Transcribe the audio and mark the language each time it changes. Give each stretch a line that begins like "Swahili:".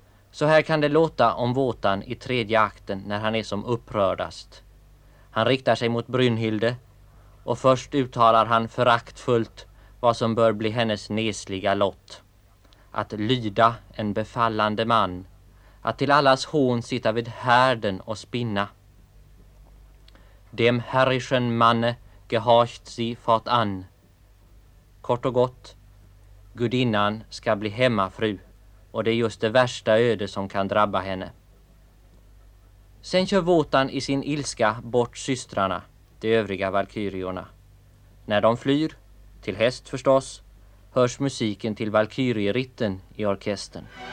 Swedish: Så här kan det låta om Wotan i tredje akten när han är som upprördast. Han riktar sig mot Brynhilde och först uttalar han föraktfullt vad som bör bli hennes nesliga lott. Att lyda en befallande man. Att till allas hån sitta vid härden och spinna.
German: Dem herrischen manne gehorcht sie fort an.
Swedish: Kort och gott, gudinnan ska bli hemmafru. Och det är just det värsta öde som kan drabba henne. Sen kör Wotan i sin ilska bort systrarna. De övriga valkyriorna. När de flyr, till häst förstås, hörs musiken till valkyrieritten i orkestern.